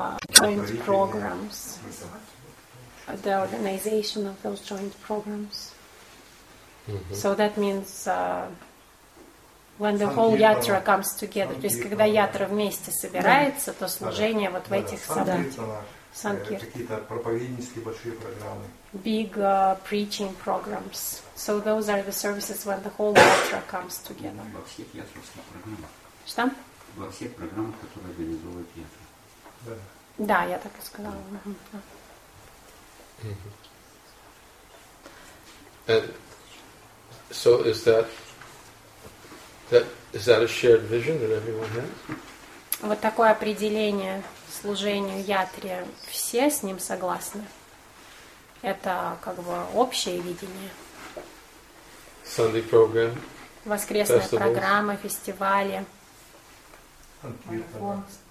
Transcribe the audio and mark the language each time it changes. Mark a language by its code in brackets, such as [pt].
[en] Joint programs. The organization of those joint programs. Mm-hmm. So that means when the whole yatra comes together, [ru] то есть когда ятра вместе собирается, то служение вот в этих собраниях. Какие-то проповеднические большие программы. [en] Big preaching programs. So those are the services when the whole yatra comes together. [ru] Во всех ятровских программах. Что? Во всех программах, которые организовывают ятра. Да. Да, я так и сказала. [en] So is that a shared vision that everyone has? [ru] Вот такое определение служению Ятре. Все с ним согласны. Это как бы общее видение. [en] Sunday program. [ru] Воскресная festivals. Программа, фестивали. Санкиртан.